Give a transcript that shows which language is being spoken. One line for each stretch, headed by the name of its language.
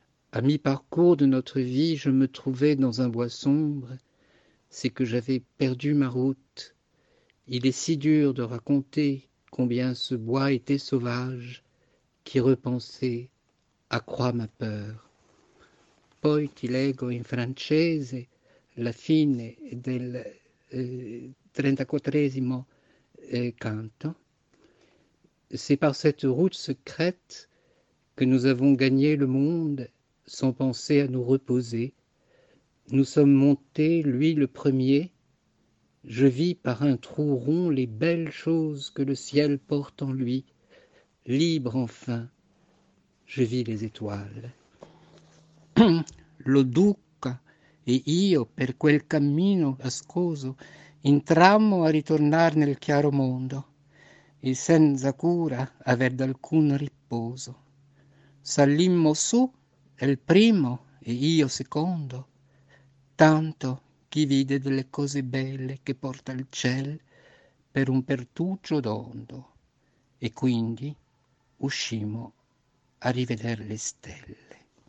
French: À mi-parcours de notre vie, je me trouvais dans un bois sombre, c'est que j'avais perdu ma route. Il est si dur de raconter combien ce bois était sauvage, qui repensait accroît ma peur.
Italian: Poi ti leggo in francese la fine del 34° canto.
French: C'est par cette route secrète que nous avons gagné le monde. Sans penser à nous reposer, nous sommes montés, lui le premier. Je vis par un trou rond les belles choses que le ciel porte en lui. Libre enfin, je vis les étoiles.
Italian: Lo Duca e io, per quel cammino ascoso, entrammo a ritornar nel chiaro mondo, e senza cura aver d'alcun riposo. Salimmo su. Il primo e io secondo, tanto chi vide delle cose belle che porta il ciel per un pertugio d'ondo, e quindi uscimmo a rivedere le stelle.